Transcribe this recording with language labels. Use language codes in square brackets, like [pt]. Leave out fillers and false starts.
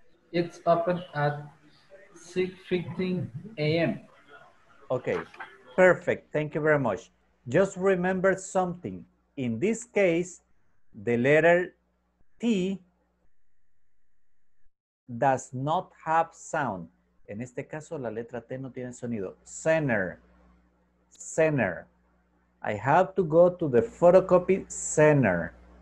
[en] It's open at 6:15 a.m. Okay, perfect. Thank you very much. Just remember something. In this case, the letter T does not have sound. [es] En este caso, la letra T no tiene sonido. [en] Center. Center. I have to go to the photocopy center.